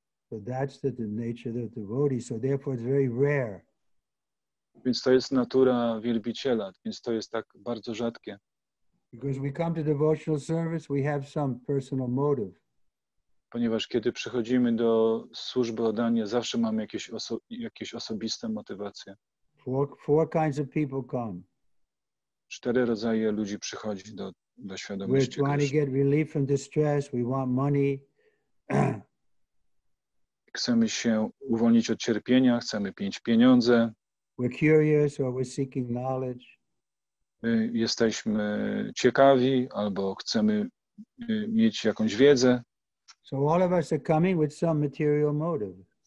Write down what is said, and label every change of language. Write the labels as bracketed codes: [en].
[en] So that's the nature of the devotee, so therefore it's very rare. [pl] Więc to jest natura wielbiciela, więc to jest tak bardzo rzadkie. [en] Because we come to devotional service, we have some personal motive. [pl] Ponieważ kiedy przychodzimy do służby oddania, zawsze mamy jakieś osobiste motywacje. [en] Four kinds of people come. [pl] Cztery rodzaje ludzi przychodzi do świadomości. [en] We're trying to get relief from distress, we want money. [pl] Chcemy się uwolnić od cierpienia, chcemy mieć pieniądze. [en] We're curious or we're seeking knowledge. [pl] Jesteśmy ciekawi albo chcemy mieć jakąś wiedzę. [en] So all of us are coming with some material motive.